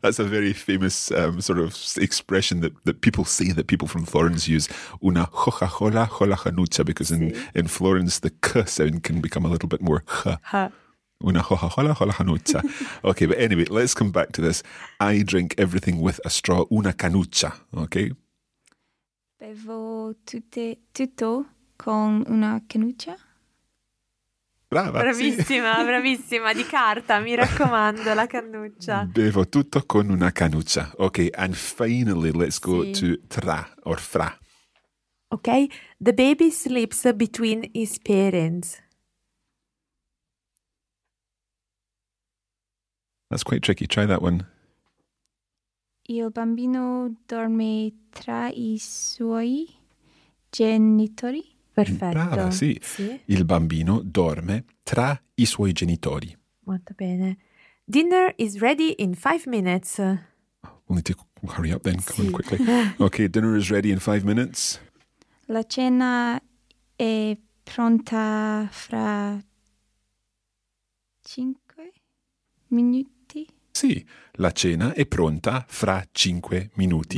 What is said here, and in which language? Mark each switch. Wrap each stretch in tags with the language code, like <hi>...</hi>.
<en>That's a very famous sort of expression that people say, that people from Florence use. Una hojola con la canuccia, because in Florence, the k sound can become a little bit more h. Una hojola con la canuccia. Okay, but anyway, let's come back to this. I drink everything with a straw.</en> <it>Una canuccia, okay? Bevo tutto con una canuccia. Brava, bravissima, sì. Bravissima, di carta, mi raccomando, la canuccia. Bevo tutto con una canuccia.</it> <en>Ok, and finally let's go to tra or fra. Ok, the baby sleeps between his parents. That's quite tricky, try that one.</en> <it>Il bambino dorme tra i suoi genitori. Perfetto. Brava, sì. Il bambino dorme tra i suoi genitori. Molto bene.</it> <en>Dinner is ready in 5 minutes. We'll need to hurry up then. Come on quickly. Okay, dinner is ready in 5 minutes.</en> <it>La cena è pronta fra 5 minuti. Sì, la cena è pronta fra 5 minuti.</it>